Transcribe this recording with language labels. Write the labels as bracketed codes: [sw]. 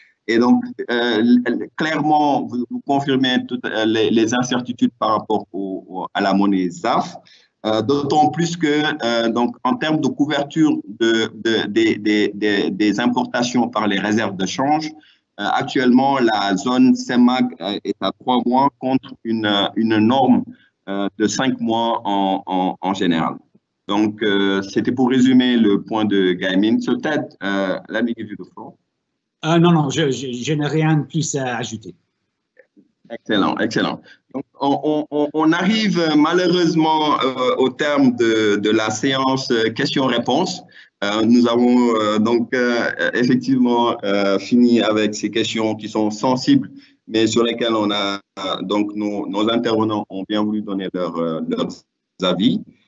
[fr] Et donc, clairement, vous confirmez toutes les incertitudes par rapport à la monnaie ZAF, d'autant plus que, donc, en termes de couverture des importations par les réserves de change, actuellement, la zone CEMAC est à 3 mois contre une norme de 5 mois en général. Donc, c'était pour résumer le point de Gaïmine. [en] So, Ted, let me give you the floor. [fr] Non, je n'ai rien de plus à ajouter. Excellent, excellent. Donc, on arrive malheureusement au terme de la séance questions-réponses. Nous avons effectivement fini avec ces questions qui sont sensibles, mais sur lesquelles on a donc nos intervenants ont bien voulu donner leurs avis.